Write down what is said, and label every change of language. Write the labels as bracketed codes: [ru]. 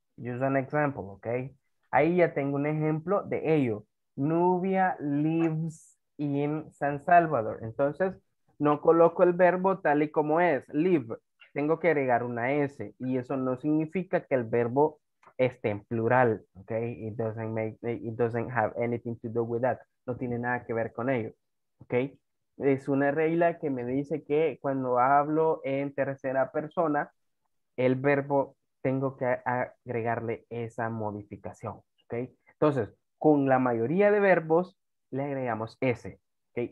[en] Use an example, [es] ok. Ahí ya tengo un ejemplo de ello. [en] Nubia lives in San Salvador. [es] Entonces, no coloco el verbo tal y como es, live. Tengo que agregar una S. Y eso no significa que el verbo esté en plural, ok. [en] It doesn't have anything to do with that. [es] No tiene nada que ver con ello, ok. Es una regla que me dice que cuando hablo en tercera persona, el verbo tengo que agregarle esa modificación, ¿ok? Entonces, con la mayoría de verbos le agregamos S. ¿Okay?